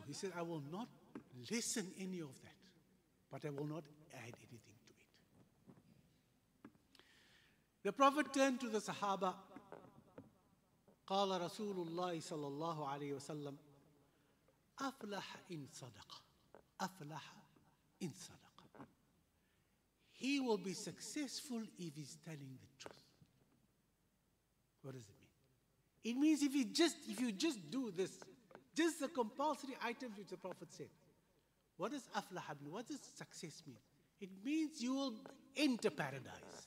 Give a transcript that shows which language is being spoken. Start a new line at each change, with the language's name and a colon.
English: He said, I will not lessen any of that, but I will not add anything to it. The Prophet turned to the Sahaba.
Arabic: قال رسول الله صلى الله عليه وسلم أفلح إن صدق أفلح إن صدق.
English: He will be successful if he's telling the truth. What does it mean? It means if you just do this, just the compulsory items which the Prophet said. What does أفلح mean? What does success mean? It means you will enter paradise.